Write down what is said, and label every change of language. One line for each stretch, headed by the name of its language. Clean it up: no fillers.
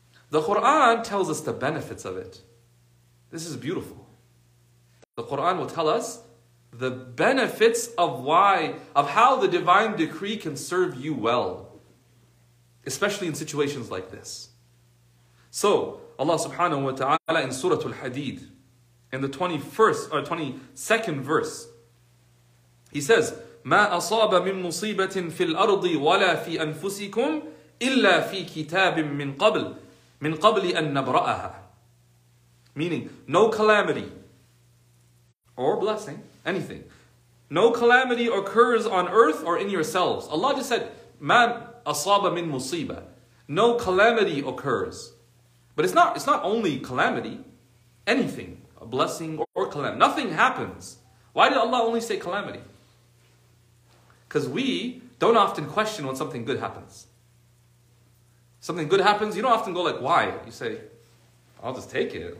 English: The Qur'an tells us the benefits of it. This is beautiful. The Qur'an will tell us the benefits of why, of how the divine decree can serve you well. Especially in situations like this. So, Allah subhanahu wa ta'ala in Surah Al-Hadid, in the 22nd verse, He says,
Arabic: مَا أَصَابَ مِن مُصِيبَةٍ فِي الْأَرْضِ وَلَا فِي أَنفُسِكُمْ إِلَّا فِي كِتَابٍ مِن قَبْلِ أَن نَبْرَأَهَا.
English: Meaning, no calamity or blessing, anything. No calamity occurs on earth or in yourselves. Allah just said,
Arabic: مَا أَصَابَ مِن مُصِيبَةٍ.
English: No calamity occurs. But it's not only calamity, anything, a blessing or calamity. Nothing happens. Why did Allah only say calamity? Because we don't often question when something good happens. Something good happens, you don't often go like, why? You say, I'll just take it.